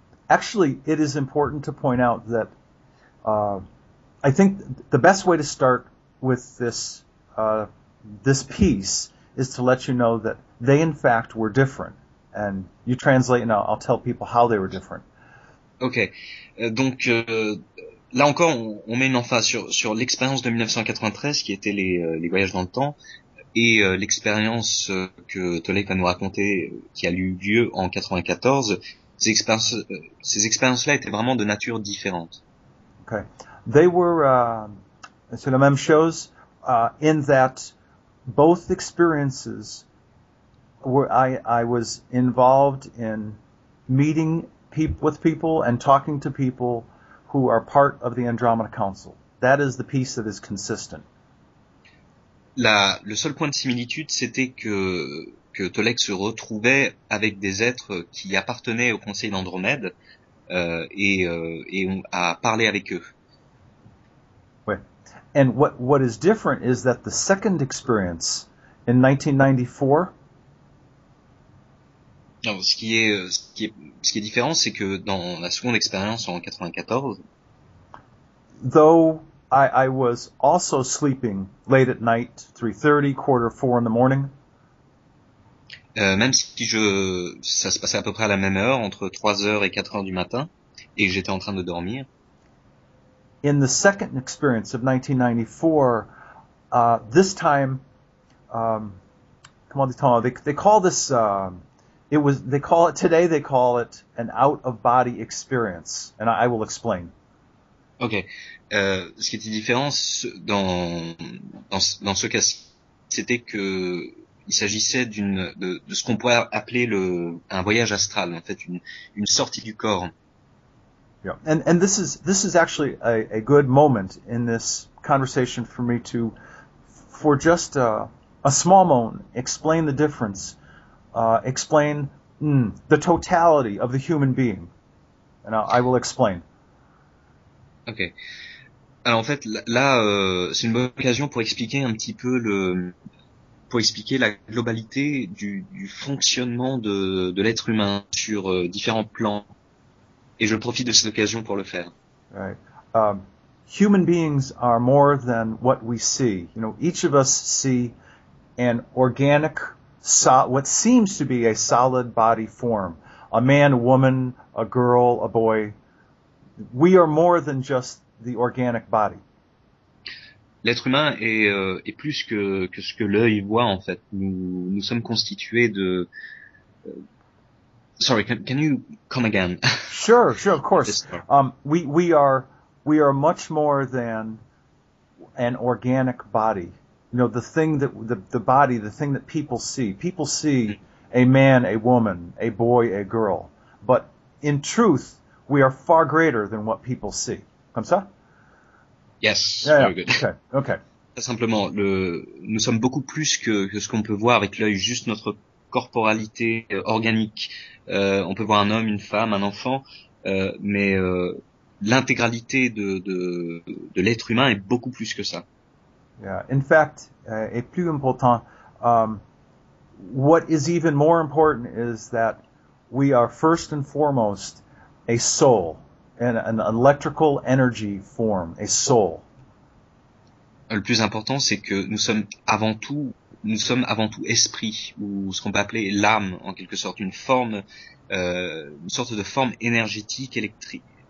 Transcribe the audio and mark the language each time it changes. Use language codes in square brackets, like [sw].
[en] Actually, it is important to point out that I think the best way to start with this this piece is to let you know that they, in fact, were different. And you translate, and I'll tell people how they were different. Okay. [fr] Donc, là encore, on met une emphase sur l'expérience de 1993, qui était les voyages dans le temps, et l'expérience que Tolek va nous raconter, qui a eu lieu en 94. Ces expériences-là étaient vraiment de nature différente. [en] Okay. They were, [fr] c'est la même chose, [en] in that both experiences were I was involved in meeting with people and talking to people who are part of the Andromeda Council. That is the piece that is consistent. [fr] Le seul point de similitude, c'était que Tolek se retrouvait avec des êtres qui appartenaient au Conseil d'Andromède et a parlé avec eux. [en] And what is different is that the second experience in 1994. [fr] Non, ce qui est différent, c'est que dans la seconde expérience en 94. [en] Though I was also sleeping late at night, 3:30, quarter four in the morning. [fr] Même si ça se passait à peu près à la même heure, entre 3h et 4h du matin, et j'étais en train de dormir. [en] In the second experience of 1994, this time, [fr] comment dit-on, [en] they call this, it was, they call it, today they call it an out-of-body experience, and I will explain. [fr] Ok, ce qui était différent dans ce cas, c'était qu'il s'agissait de ce qu'on pourrait appeler un voyage astral, en fait, une sortie du corps. [en] Yeah, and this is actually a good moment in this conversation for me to, for just a small moment, explain the difference, explain the totality of the human being, and I will explain. Okay. [fr] Alors en fait, là, c'est une bonne occasion pour expliquer un petit peu la globalité du fonctionnement de l'être humain sur différents plans. Et je profite de cette occasion pour le faire. [en] Right. Human beings are more than what we see. You know, each of us see an organic, what seems to be a solid body form. A man, a woman, a girl, a boy. We are more than just the organic body. [fr] L'être humain est plus que ce que l'œil voit, en fait. Nous sommes constitués de... [en] Sorry, can you come again? sure, of course. We are much more than an organic body. You know, the thing that the body, the thing that people see. People see a man, a woman, a boy, a girl. But in truth, we are far greater than what people see. [fr] Comme ça? [en] Yes. Yeah, very good. Okay. [fr] Simplement, nous sommes beaucoup plus que ce qu'on peut voir avec l'œil, juste notre corporalité organique. On peut voir un homme, une femme, un enfant, l'intégralité de l'être humain est beaucoup plus que ça. [en] Yeah, in fact, [fr] et plus important, [en] what is even more important is that we are first and foremost a soul, an electrical energy form, a soul. [fr] Le plus important, c'est que nous sommes avant tout esprit, ou ce qu'on peut appeler l'âme, en quelque sorte, une sorte de forme énergétique électrique.